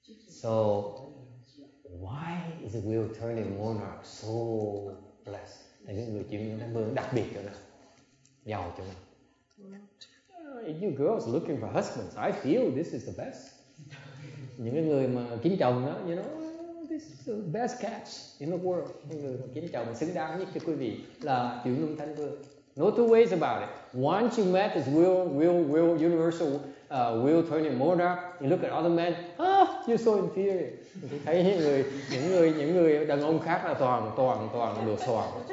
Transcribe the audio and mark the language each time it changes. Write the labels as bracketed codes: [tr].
[en] So why is the will turning monarch so blessed? [vi] Là những người chuyển thánh vương đặc biệt cho nó, giàu cho nó. [en] You girls looking for husbands, I feel this is the best. [vi] Những cái người mà kiếm chồng đó, [en] you know, this is the best catch in the world. [vi] Những người kiếm chồng xứng đáng nhất cho quý vị là Triệu Lương Thánh Vương. [en] No two ways about it. Once you met this will universal will turning monarch, you look at other men, you're so inferior. [vi] Thấy những người đàn ông khác là toàn đồ xoàng.